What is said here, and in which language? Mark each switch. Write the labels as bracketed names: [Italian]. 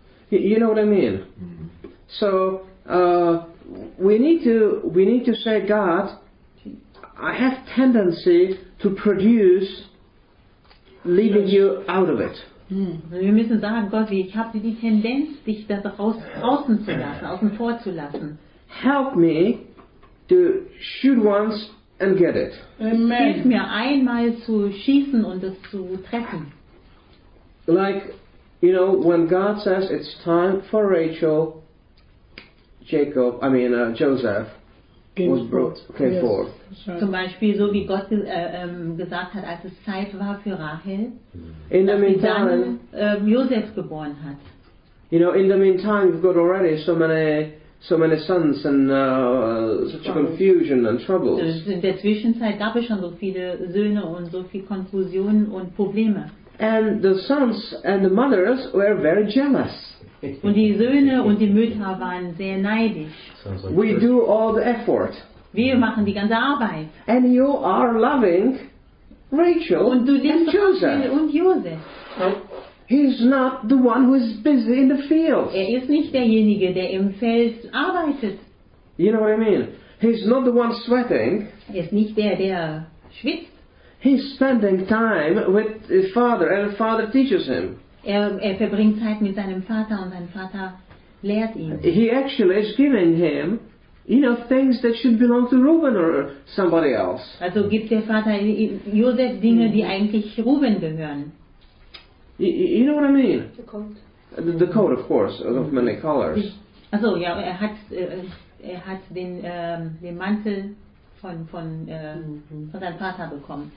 [English] You know what I mean? Mm-hmm. So we need to say, God, I have tendency to produce leaving you out of it. Mm. [German] Wir müssen sagen, Gott, ich habe die Tendenz, dich da draußen zu lassen, außen vor zu lassen. [English] Help me to shoot once and get it. Amen. [German] Hilf mir einmal zu schießen und es zu treffen. [English] Like, you know, when God says it's time for Joseph was brought, came forth. Right. [German] Zum Beispiel so wie Gott gesagt hat, als es Zeit war für Rachel, in dass sie dann Joseph geboren hat. [English] You know, in the meantime, we've got already so many sons and such a confusion and troubles. [German] In der Zwischenzeit gab es schon so viele Söhne und so viel Konfusion und Probleme. [English] And the sons and the mothers were very jealous. [German] Und die Söhne und die Mütter waren sehr neidisch. [English] We do all the effort. [German] Wir machen die ganze Arbeit. [English] And you are loving Rachel [German] und du [English] and Joseph. [German] Und Joseph. [English] He's not the one who is busy in the field. [German] Er ist nicht derjenige, der im Feld arbeitet. [English] You know what I mean? He's not the one sweating. [German] Er ist nicht der schwitzt. [English] He's spending time with his father, and his father teaches him. [German] Er verbringt Zeit mit seinem Vater, und sein Vater lehrt ihn. [English] He actually is giving him, you know, things that should belong to Reuben or somebody else. [German] Also gibt der Vater Josef Dinge, die eigentlich Reuben gehören. [English] You know what I mean? The coat. The coat, of course, of many colors. [German] Also, ja, er hat den Mantel von seinem Vater bekommen.